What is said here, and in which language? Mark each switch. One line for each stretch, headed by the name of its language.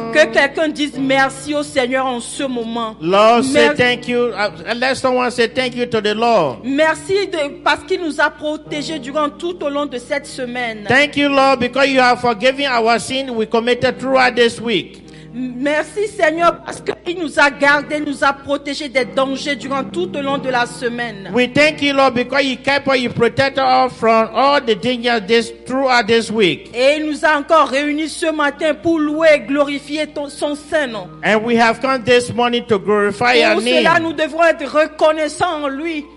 French: Quelqu'un dise merci au Seigneur en ce moment.
English: Lord, say thank you. Let someone say thank you to the Lord.
French: Merci de, parce qu'il nous a protégés durant tout au long de cette semaine.
English: Thank you, Lord, because you have forgiven our sins we committed throughout this week.
French: Merci Seigneur parce qu'il nous a gardé, nous a protégé des dangers durant tout au long de la semaine.
English: We thank you, Lord, because you kept us, you protected us from all the dangers throughout this week.
French: Et il nous a encore réunis ce matin pour louer et glorifier son saint nom.
English: And we have come this morning to glorify your name.
French: Pour cela, nous devons être reconnaissants en lui.